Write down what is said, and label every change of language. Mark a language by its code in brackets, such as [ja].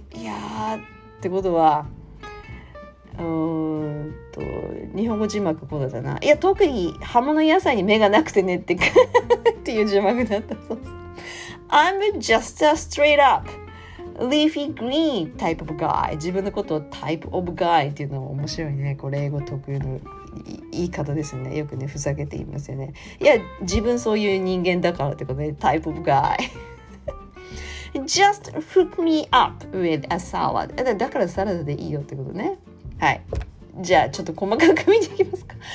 [ja] いやってことは、日本語字幕こうだったな。いや、特に葉物野菜に目がなくてねって、っていう字幕だったそうです。 [en] I'm just a straight up leafy green type of guy. [ja] 自分のことをタイプオブガイっていうのも面白いね。これ英語特有の言い方ですね。よくね、ふざけて言いますよね。いや、自分そういう人間だからってことで、タイプオブガイ。 [en] Just hook me up with a salad. [ja] だからサラダでいいよってことね。はい。じゃあちょっと細かく見ていきますか。